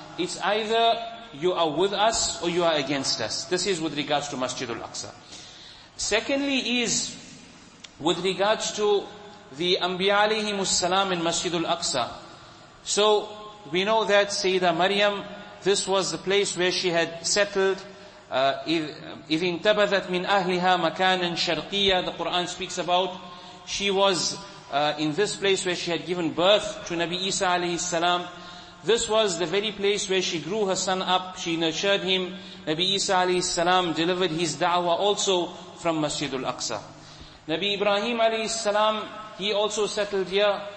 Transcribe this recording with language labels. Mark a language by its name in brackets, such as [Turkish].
[English] It's either you are with us or you are against us. This is with regards to Masjid al-Aqsa. Secondly is with regards to the Anbiya alayhi salam in Masjid al-Aqsa. So we know that Sayyida Maryam, this was the place where she had settled. [Arabic] إِذْ انْتَبَذَتْ مِنْ أَهْلِهَا مَكَانًا شَرْقِيًا, [English] the Quran speaks about. She was in this place where she had given birth to Nabi Isa alayhi salam. This was the very place where she grew her son up. She nurtured him. Nabi Isa alayhi salam delivered his da'wah also from Masjid al-Aqsa. Nabi Ibrahim alayhi salam, he also settled here.